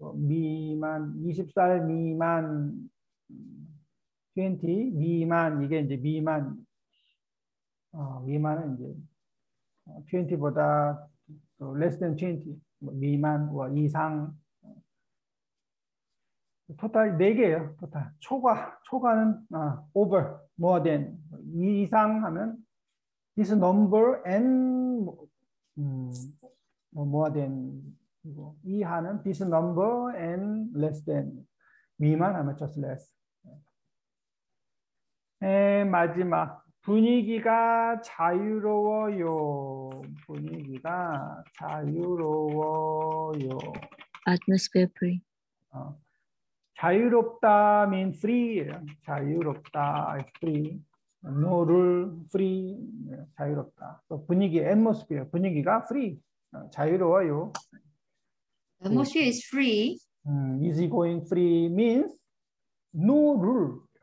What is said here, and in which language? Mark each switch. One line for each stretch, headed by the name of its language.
Korean: 미만 20살 미만 20 미만 이게 이제 미만 미만은 이제 20보다
English: less than 20
Korean: 미만 뭐 이상 토탈 네 개예요. 토탈 초과 초과는
English: over more than
Korean: 이상 하면
English: this number and more than
Korean: 이하는
English: this number and less than
Korean: 미만 하면
English: just less.
Korean: 에 마지막 분위기가 자유로워요. 분위기가 자유로워요.
English: Atmosphere free.
Korean: 자유롭다
English: means free. 자유롭다 is free. No rule free. 자유롭다.
Korean: 또 분위기 atmosphere 분위기가 free. 자유로워요.
English: Atmosphere is free. Easy going free means no rule.